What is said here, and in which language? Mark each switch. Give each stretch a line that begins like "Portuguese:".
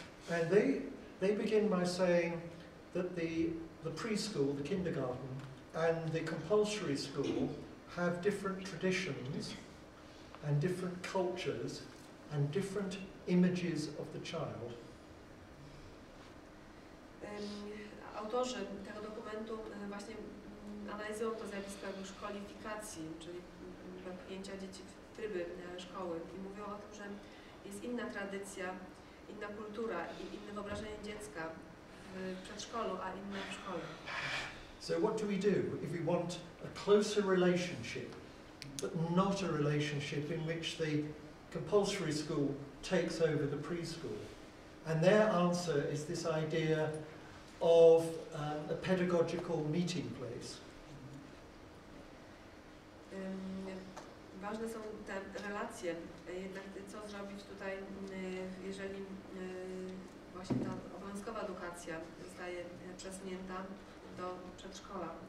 English: And they begin by saying that the preschool, the kindergarten and the compulsory school have different traditions and different cultures and different images of the child.
Polish: Autorzy tego dokumentu właśnie analizują to zjawisko szkolifikacji, czyli wepchnięcia dzieci w tryby szkoły i mówią o tym, że jest inna tradycja, inna kultura i inne wyobrażenie dziecka w przedszkolu, a inne w szkole.
English: So what do we do if we want a closer relationship, but not a relationship in which the compulsory school takes over the preschool? And their answer is this idea of a pedagogical meeting place.
Polish: Ważne są te relacje, jednak co zrobić tutaj, jeżeli właśnie ta obowiązkowa edukacja zostaje przesunięta do przedszkola.